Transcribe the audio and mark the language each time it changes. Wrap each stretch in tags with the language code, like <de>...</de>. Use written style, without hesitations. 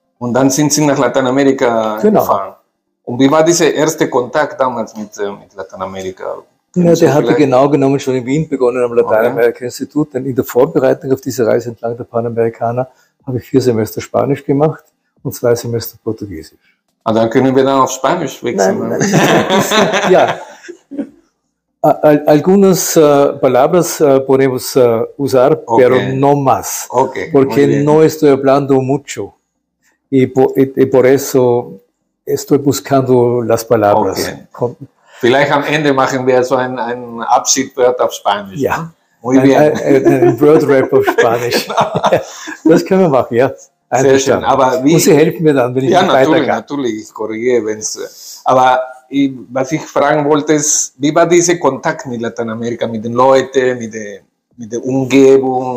<de>Und dann sind Sie nach Lateinamerika gefahren. Und wie war dieser erste Kontakt damals mit Lateinamerika? Der hatte genau genommen schon in Wien begonnen, am Lateinamerika-Institut. Denn in der Vorbereitung auf diese Reise entlang der Panamerikaner habe ich 4 Semester Spanisch gemacht und 2 Semester Portugiesisch. Ah, dann können wir dann auf Spanisch wechseln. Ja.</de> <es>Algunas palabras podemos usar, pero no más. Okay. Porque no estoy hablando mucho. Y por eso estoy buscando las palabras. Okay.</es> <de>Vielleicht am Ende machen wir so ein Abschiedwort auf Spanisch. Ja.</de> <es>Muy bien.</es> <de>Ein Word Rap auf Spanisch. Genau. Das können wir machen, ja. Sehr schön. Aber wie, und Sie helfen mir dann, wenn ich weitergehe. Ja, natürlich, ich korrigiere, wenn es. Aber was ich fragen wollte, ist, wie war dieser Kontakt mit Lateinamerika, mit den Leuten, mit der Umgebung,</de>